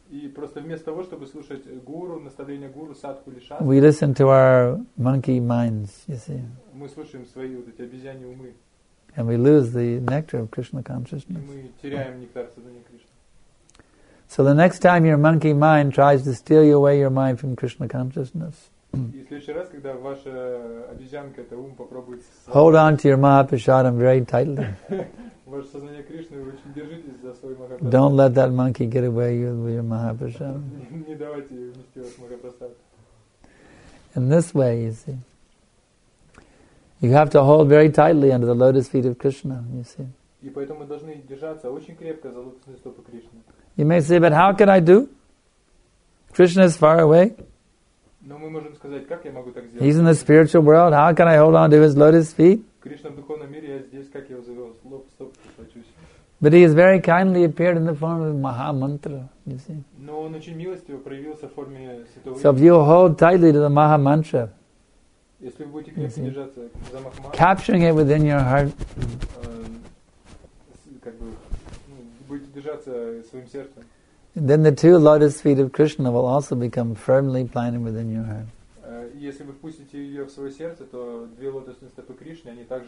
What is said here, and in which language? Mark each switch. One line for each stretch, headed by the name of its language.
Russian: И просто вместо того, чтобы слушать гуру, наставления гуру, садху или шастру,
English: we listen to our monkey minds, you see.
Russian: Мы слушаем свои вот эти обезьяньи умы.
English: And we lose the nectar of Krishna consciousness.
Russian: И мы теряем нектар сознания Кришны.
English: So the next time your monkey mind tries to steal you away your mind from Krishna consciousness.
Russian: И в следующий раз, когда ваша обезьянка, это ум, попробует...
English: Hold on to your Mahaprasadam very tightly.
Russian: Ваше сознание Кришны, вы очень держитесь за свой Махапрасад.
English: Don't let that monkey get away with your Mahaprasad.
Russian: Не давайте унести ваш Махапрасад.
English: In this way, you see. You have to hold very tightly under the lotus feet of Krishna, you see.
Russian: И поэтому мы должны держаться очень крепко за лотосные стопы Кришны.
English: You may say, but how can I do? Krishna is far away.
Russian: Но мы можем сказать, как я могу так сделать?
English: He's in the spiritual world. How can I hold on to his lotus feet?
Russian: Кришна в духовном мире, я здесь, как я его зову? Лоб, стоп,
English: But he has very kindly appeared in the form of Mahamantra, you see.
Russian: Но он очень милостиво проявился в форме святого.
English: So if you hold tightly to the Mahamantra,
Russian: если вы будете крепко держаться за Mahamantra,
English: capturing it within your heart,
Russian: как бы, ну, будете держаться своим сердцем,
English: and then the two lotus feet of Krishna will also become firmly planted within your heart.
Russian: Если вы впустите ее в свое сердце, то две лотосные стопы Кришны, они также...